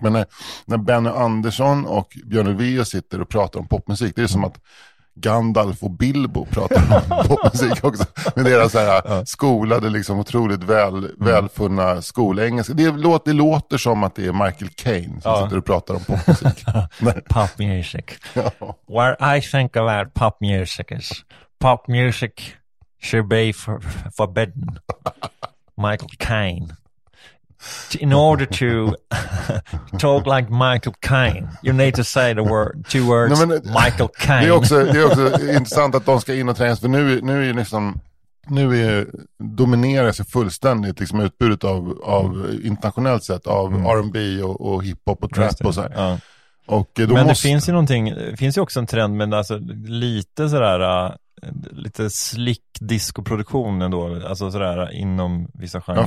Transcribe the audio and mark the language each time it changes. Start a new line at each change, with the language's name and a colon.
Swedish: Men när Benny Andersson och Björn Ulvaeus sitter och pratar om popmusik, det är som att Gandalf och Bilbo pratar om popmusik också. Med deras så här skolade, liksom otroligt välfunna skolengelska. Det låter som att det är Michael Caine som sitter och pratar om popmusik. Popmusik. Ja.
English: What I think about popmusic is popmusic should be forbidden. Michael Caine. In order to talk like Michael Caine, you need to say the word, two words.
Swedish: Nej, men, Michael Caine. Det är också intressant att de ska in och tränas, för nu är ju liksom, nu är domineras ju fullständigt liksom utbudet av internationellt sett av R&B och hiphop och trap och så här. Ja. Och men måste... det finns ju också en trend, men alltså lite sådär lite slick discoproduktion ändå, alltså sådär inom vissa genrer.